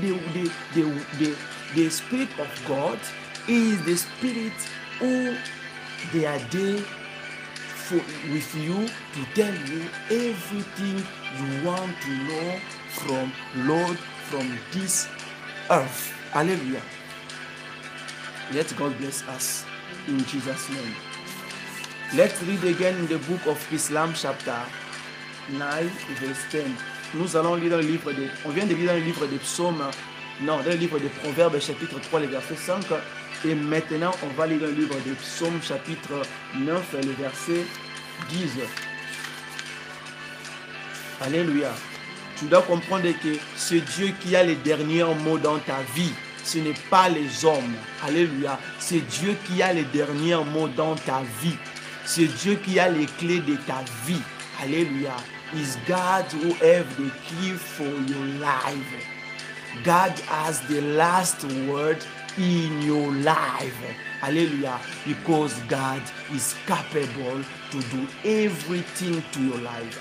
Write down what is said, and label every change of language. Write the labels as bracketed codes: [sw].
[en] The Spirit of God is the Spirit who they are there for with you to tell you everything you want to know from Lord, from this earth. Hallelujah. Let God bless us in Jesus' name. Let's read again in the book of Islam, chapter 9, verse 10. [fr] Nous allons lire le livre de, on vient de lire dans le livre des psaumes, non, dans le livre des proverbes, chapitre 3, le verset 5. Et maintenant, on va lire le livre des psaumes, chapitre 9, le verset 10. Alléluia. Tu dois comprendre que c'est Dieu qui a les derniers mots dans ta vie. Ce n'est pas les hommes. Alléluia. C'est Dieu qui a les derniers mots dans ta vie. C'est Dieu qui a les clés de ta vie. Alléluia. [en] It's God who has the key for your life. God has the last word in your life. Hallelujah. Because God is capable to do everything to your life.